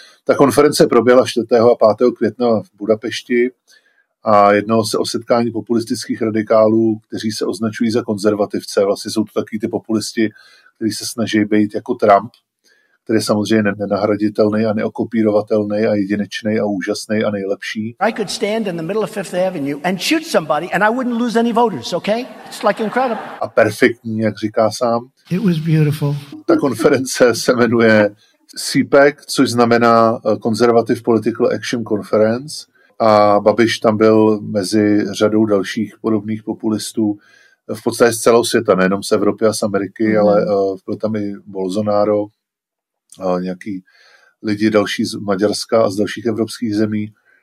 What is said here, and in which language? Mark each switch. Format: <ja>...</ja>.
<cs>Ta konference proběhla 4. a 5. května v Budapešti a jednalo se o setkání populistických radikálů, kteří se označují za konzervativce. Vlastně jsou to takový ty populisti, kteří se snaží být jako Trump, který je samozřejmě nenahraditelný a neokopírovatelný a jedinečný a úžasný a nejlepší.</cs> <en>I could stand in the middle of Fifth Avenue and shoot somebody and I wouldn't lose any voters, okay? It's like incredible.</en> <cs>A perfektní, jak říká sám.</cs> <en>It was beautiful.</en> <cs>Ta konference se jmenuje CPAC, což znamená Conservative Political Action Conference a Babiš tam byl mezi řadou dalších podobných populistů v podstatě z celého světa, nejenom z Evropy a z Ameriky, ale byl tam i Bolsonaro, nějaký lidi další z Maďarska a z dalších evropských zemí.</cs>